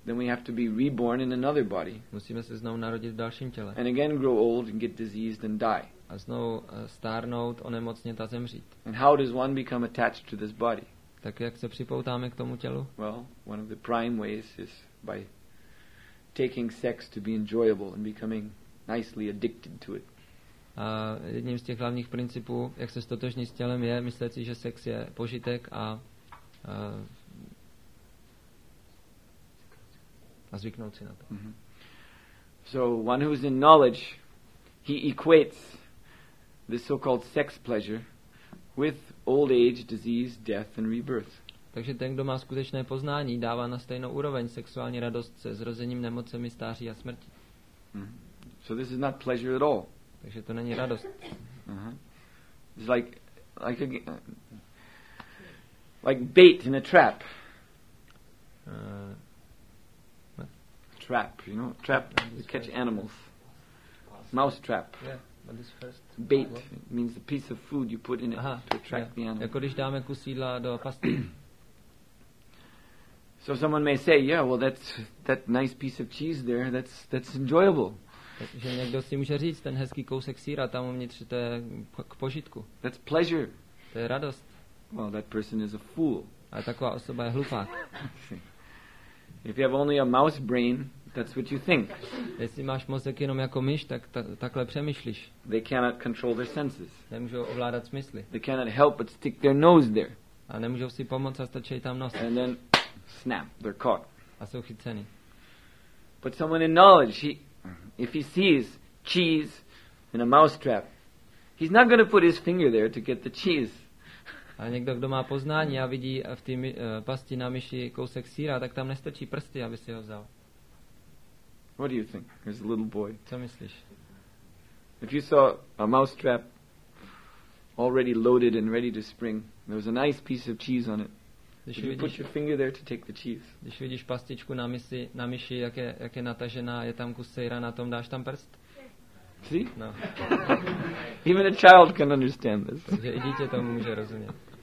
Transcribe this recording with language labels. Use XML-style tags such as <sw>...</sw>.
<en>then we have to be reborn in another body.</en> <cs>Musíme se znovu narodit v dalším těle.</cs> <en>And again grow old and get diseased and die.</en> <cs>A znovu stárnout, onemocnět a zemřít.</cs> <en>And how does one become attached to this body?</en> <cs>Tak jak se připoutáme k tomu tělu?</cs> <en>Well, one of the prime ways is by taking sex to be enjoyable and becoming nicely addicted to it.</en> <cs>A jedním z těch hlavních principů, jak se stotožnit s tělem, je myslet si, že sex je požitek a zvyknout si na to. Mm-hmm.</cs> <en>So one who is in knowledge, he equates this so-called sex pleasure with old age, disease, death and rebirth.</en> <cs>Takže ten, kdo má skutečné poznání, dává na stejnou úroveň sexuální radost se zrozením, nemocemi, stáří a smrti. Mm-hmm.</cs> <en>So this is not pleasure at all.</en> <cs>Takže to není radost.</cs> <en>Uh-huh. It's like bait in a trap. Trap, you know, trap to catch animals. Mouse trap. Yeah, but first bait means the piece of food you put in it to attract the animals.</en> <cs>Jako když dáme kus jídla do pasty.</cs> <en>So someone may say, yeah, well that nice piece of cheese there, that's enjoyable.</en> <cs>Že někdo si může říct, ten hezký kousek sýra tam uvnitř, to je k požitku.</cs> <en>That's pleasure.</en> <cs>To je radost.</cs> <en>Well, that person is a fool.</en> <cs>Ale taková osoba je hlupák.</cs> <en>If you have only a mouse brain, that's what you think.</en> <cs>Jestli máš mozek jenom jako myš, tak takhle přemýšlíš.</cs> <en>They cannot control their senses.</en> <cs>Nemůžou ovládat smysly.</cs> <en>They cannot help but stick their nose there.</en> <cs>A nemůžou si pomoct a stačí tam nos.</cs> <en>And then snap, they're caught.</en> <cs>A jsou chyceni.</cs> <en>But someone in knowledge, if he sees cheese in a mouse trap, he's not going to put his finger there to get the cheese.</en> <cs>A někdo, kdo má poznání a vidí v té pasti na myši kousek síra, tak tam nestrčí prsty, aby si ho vzal.</cs> <en>What do you think? There's a little boy.</en> <cs>Co myslíš?</cs> <en>If you saw a mouse trap already loaded and ready to spring, there was a nice piece of cheese on it.</en> <cs>Když</cs> <en>you put your finger there to take the cheese.</en> <cs>Když vidíš pastičku na myši, jak je natažená, je tam kus sýra na tom, dáš tam prst?</cs> <en>See? No. Even a child can understand this.</en> <cs>Takže i dítě tomu může rozumět.</cs>